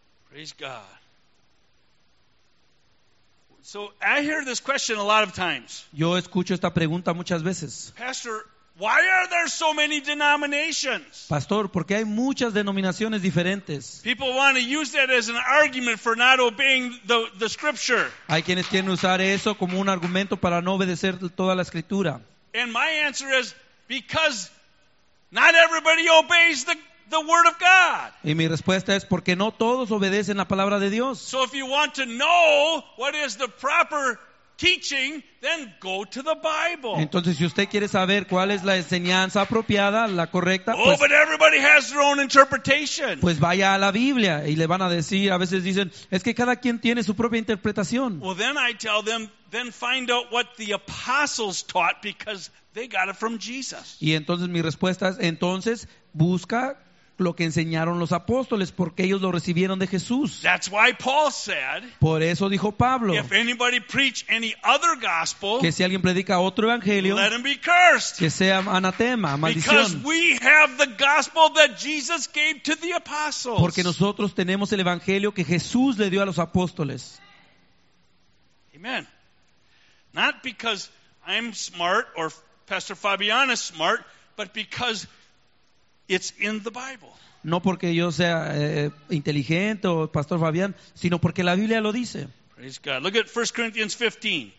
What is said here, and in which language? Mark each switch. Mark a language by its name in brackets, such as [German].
[English] Praise God. So I hear this question a lot of times. [Spanish] Yo escucho esta pregunta muchas veces. [English] Pastor, why are there so many denominations? [Spanish] Pastor, ¿por qué hay muchas denominaciones diferentes? [English] People want to use that as an argument for not obeying the scripture. [Spanish] Hay quienes quieren usar eso como un argumento para no obedecer toda la escritura. [English] And my answer is because not everybody obeys the word of God. [Spanish] Y mi respuesta es porque no todos obedecen la palabra de Dios. [English] So if you want to know what is the proper teaching, then go to the Bible. [Spanish] Entonces, si usted quiere saber cuál es la enseñanza apropiada, la correcta, [English] oh, pues, but everybody has their own interpretation. [Spanish] Pues vaya a la Biblia y le van a decir, a veces dicen, es que cada quien tiene su propia interpretación. [English] Well, then I tell them, then find out what the apostles taught because they got it from Jesus. [Spanish] Y entonces mi respuesta es, entonces busca lo que enseñaron los apóstoles porque ellos lo recibieron de Jesús. [English] That's why Paul said, [Spanish] por eso dijo Pablo, [English] if anybody preach any other gospel, [Spanish] que si alguien predica otro evangelio, [English] let him be cursed, [Spanish] que sea anatema, maldición. [English] Because we have the gospel that Jesus gave to the apostles. [Spanish] Porque nosotros tenemos el evangelio que Jesús le dio a los apóstoles. [English] Amen. Not because I'm smart or Pastor Fabian is smart, but because it's in the Bible. [Spanish] No porque yo sea inteligente o Pastor Fabián, sino porque la Biblia lo dice. [English] Praise God. Look at 1 Corinthians 15.